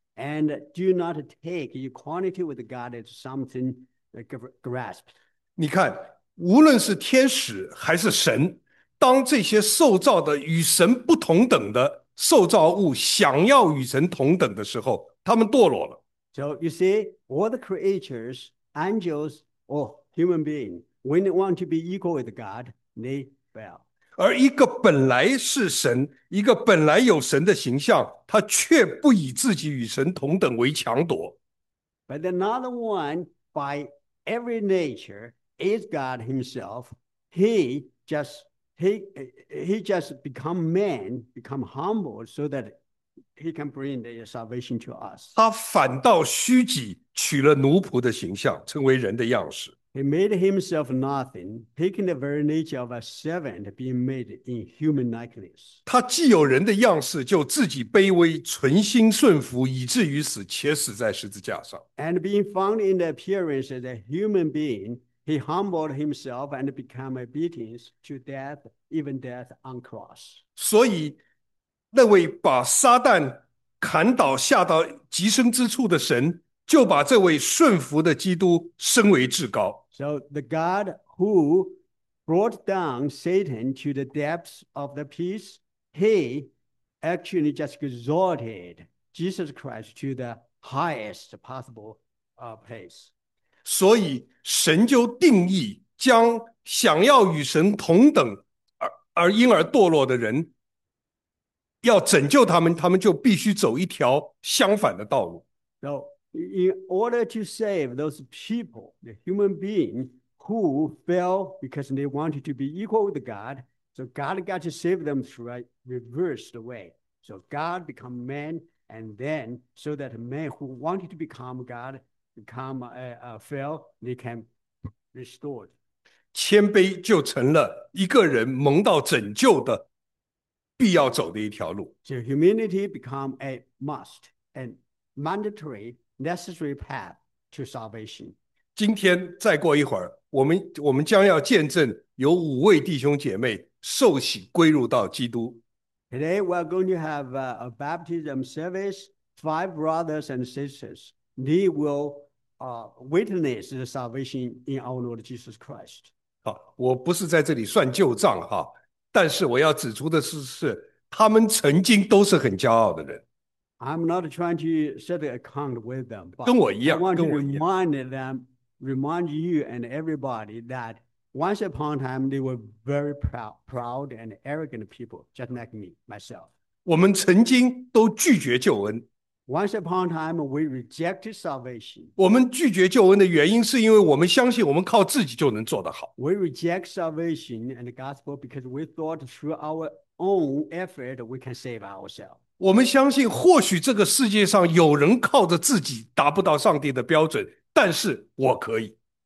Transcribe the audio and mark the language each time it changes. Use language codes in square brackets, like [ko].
[en] And do not take equality with God as something grasped. [zh] 你看，无论是天使还是神，当这些受造的与神不同等的受造物想要与神同等的时候，他们堕落了。 [en] So you see, all the creatures, angels, or human being, when they want to be equal with God, they fell. [zh] 而一个本来是神，一个本来有神的形象，他却不以自己与神同等为强夺。 [en] But another one by every nature is God himself. He just become man, become humble so that he can bring the salvation to us. [zh] 他反倒虚己，取了奴仆的形象，成为人的样式。 [en] He made himself nothing, taking the very nature of a servant, being made in human likeness. [zh] 他既有人的样式，就自己卑微，存心顺服，以至于死，且死在十字架上。 [en] And being found in the appearance as a human being, he humbled himself and became obedient to death, even death on cross. [zh] 所以，那位把撒旦砍倒、下到极深之处的神，就把这位顺服的基督升为至高。 [en] So the God who brought down Satan to the depths of the pit, he actually just exalted Jesus Christ to the highest possible place. [zh] 所以，神就定义将想要与神同等而因而堕落的人，要拯救他们，他们就必须走一条相反的道路。 [en] So, in order to save those people, the human being who fell because they wanted to be equal with God, so God got to save them through a reversed way. So God become man, and then so that man who wanted to become God become fell, they can restore. [zh] 谦卑就成了一个人蒙到拯救的必要走的一条路。 [en] So humility become a must and mandatory necessary path to salvation. [zh] 今天再过一会儿，我们将要见证有五位弟兄姐妹受洗归入到基督。 [en] Today we are going to have a baptism service. Five brothers and sisters, they will witness the salvation in our Lord Jesus Christ. [zh] 我不是在这里算旧账哈，但是我要指出的是他们曾经都是很骄傲的人。 [en] I'm not trying to set an account with them, but [zh] 跟我一样 [en] I want to remind you and everybody that once upon a time they were very proud and arrogant people, just like me, myself. [zh] 我们曾经都拒绝救恩。 [en] Once upon a time we rejected salvation. [zh] 我们拒绝救恩的原因是因为我们相信我们靠自己就能做得好。 [en] We reject salvation and the gospel because we thought through our own effort we can save ourselves. [zh] 我们相信或许这个世界上有人靠着自己达不到上帝的标准，但是我可以。